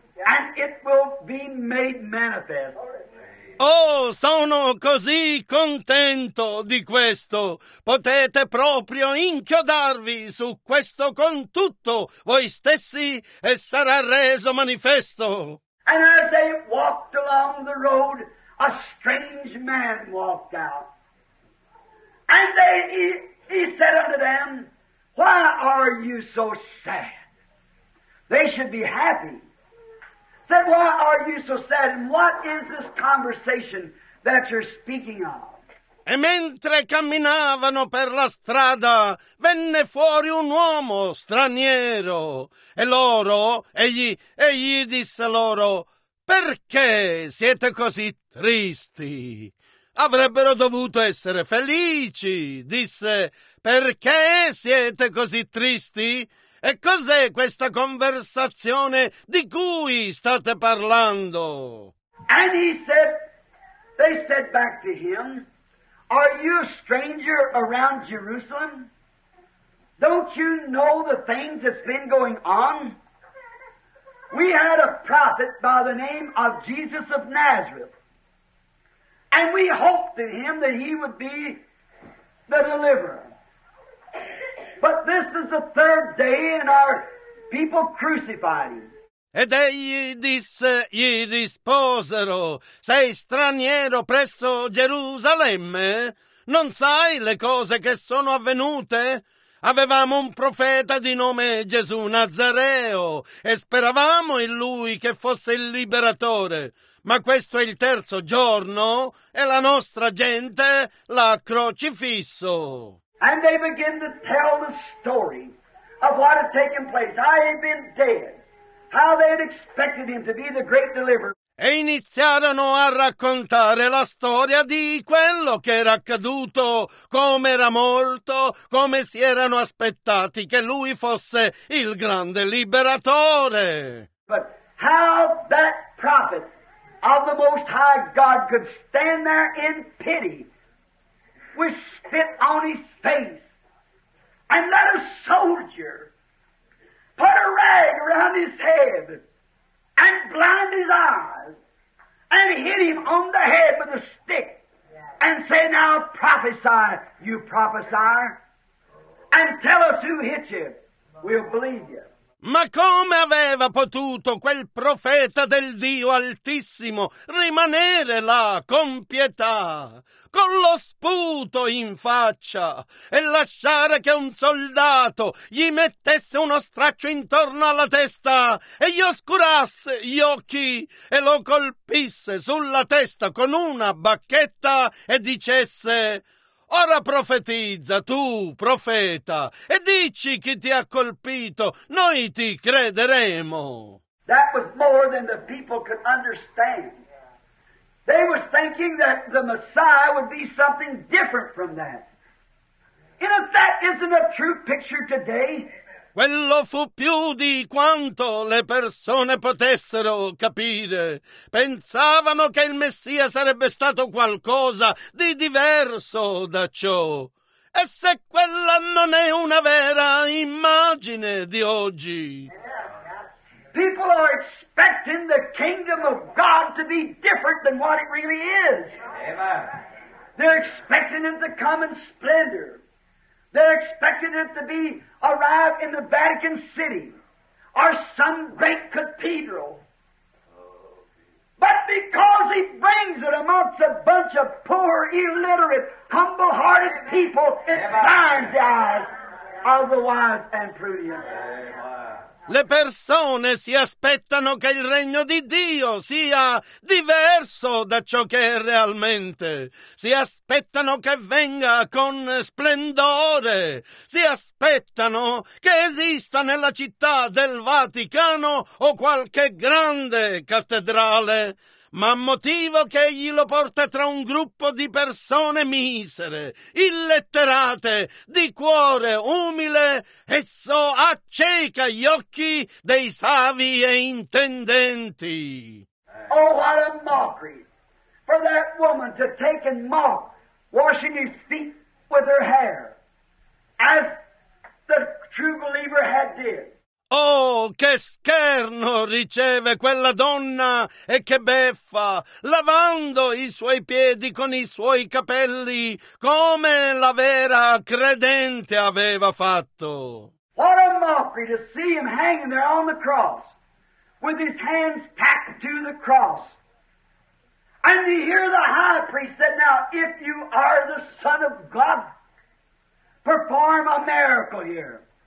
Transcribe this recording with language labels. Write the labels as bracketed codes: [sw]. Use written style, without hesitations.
[en] And it will be made manifest. [it] Oh, sono così contento di questo. Potete proprio inchiodarvi su questo con tutto voi stessi e sarà reso manifesto. [en] And as they walked along the road, a strange man walked out. And he said unto them, why are you so sad? They should be happy. Said, why are you so sad? And what is this conversation that you're speaking of? [it] E mentre camminavano per la strada, venne fuori un uomo straniero. E loro, egli disse loro, perché siete così tristi? Avrebbero dovuto essere felici, disse. Perché siete così tristi? E cos'è questa conversazione di cui state parlando? [en] And he said, they said back to him, are you a stranger around Jerusalem? Don't you know the things that's been going on? We had a prophet by the name of Jesus of Nazareth. And we hoped in him that he would be the deliverer. But this is the third day and our people crucified him. [it] Ed egli disse, gli risposero, sei straniero presso Gerusalemme? Non sai le cose che sono avvenute? Avevamo un profeta di nome Gesù Nazareo e speravamo in lui che fosse il liberatore. Ma questo è il terzo giorno e la nostra gente l'ha crocifisso. [en] And they begin to tell the story of what had taken place, how he had been dead, how they had expected him to be the great deliverer. [it] E iniziarono a raccontare la storia di quello che era accaduto, come era morto, come si erano aspettati che lui fosse il grande liberatore. [en] But how that prophet of the Most High God could stand there in pity with spit on his face and let a soldier put a rag around his head and blind his eyes and hit him on the head with a stick and say, now prophesy, you prophesy, and tell us who hit you. We'll believe you. [it] Ma come aveva potuto quel profeta del Dio Altissimo rimanere là con pietà, con lo sputo in faccia, e lasciare che un soldato gli mettesse uno straccio intorno alla testa e gli oscurasse gli occhi e lo colpisse sulla testa con una bacchetta e dicesse: ora profetizza tu, profeta, e dici chi ti ha colpito, noi ti crederemo. [en] That was more than the people could understand. They were thinking that the Messiah would be something different from that. And if that isn't a true picture today, [it] quello fu più di quanto le persone potessero capire. Pensavano che il Messia sarebbe stato qualcosa di diverso da ciò. E se quella non è una vera immagine di oggi? [en] People are expecting the kingdom of God to be different than what it really is. Amen. They're expecting it to come in splendor. They're expecting it to be arrived in the Vatican City or some great cathedral. But because he brings it amongst a bunch of poor, illiterate, humble-hearted people, it blinds the eyes of the wise and prudent. [it] Le persone si aspettano che il regno di Dio sia diverso da ciò che è realmente. Si aspettano che venga con splendore. Si aspettano che esista nella città del Vaticano o qualche grande cattedrale. Ma motivo che egli lo porta tra un gruppo di persone misere, illetterate, di cuore umile, esso acceca gli occhi dei savi e intendenti. [en] Oh, what a mockery for that woman to take and mock, washing his feet with her hair, as the true believer had did. [it] Oh, che scherno riceve quella donna e che beffa, lavando i suoi piedi con i suoi capelli, come la vera credente aveva fatto. [en] What a mockery to see him hanging there on the cross, with his hands tacked to the cross. And to hear the high priest said, now, if you are the Son of God, perform a miracle here.